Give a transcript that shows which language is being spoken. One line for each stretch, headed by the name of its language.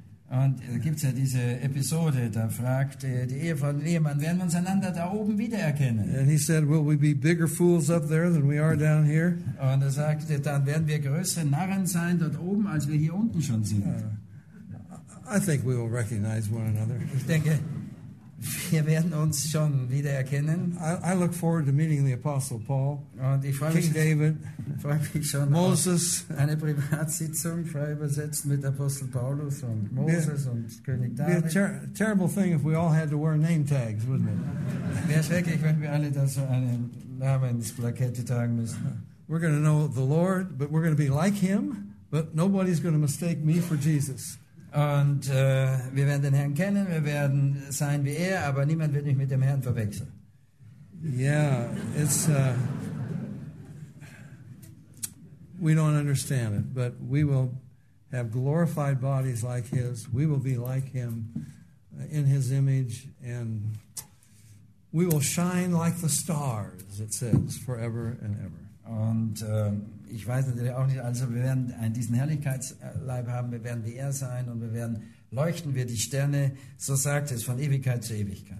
German: Und da gibt's ja diese Episode, da fragt die Ehefrau den Ehemann, werden wir uns einander da oben wiedererkennen?
English: And he said, will we be bigger fools up there than we are down here?
German: Und er sagte, dann werden wir größere Narren sein dort oben, als wir hier unten schon sind.
English: I think we will recognize one another.
German: Ich denke, wir werden uns schon wiedererkennen.
English: I look forward to meeting the Apostle Paul,
German: und ich freue
English: King David,
German: freue mich schon
English: Moses.
German: Eine Privatsitzung, frei übersetzt mit Apostel Paulus und Moses und König David.
English: It would be a terrible thing if we all had to wear name tags, wouldn't it?
German: Wäre schrecklich, wenn wir alle da so eine Namensplakette tragen müssen.
English: We're going to know the Lord, but we're going to be like him, but nobody's going to mistake me for Jesus.
German: Und wir werden den Herrn kennen, wir werden sein wie er, aber niemand wird mich mit dem Herrn verwechseln.
English: Yeah, it's we don't understand it, but we will have glorified bodies like his. We will be like him in his image, and we will shine like the stars, it says, forever and ever.
German: Und ich weiß natürlich auch nicht, also wir werden einen diesen Herrlichkeitsleib haben, wir werden wie er sein und wir werden leuchten wie die Sterne, so sagt es, von Ewigkeit zu Ewigkeit.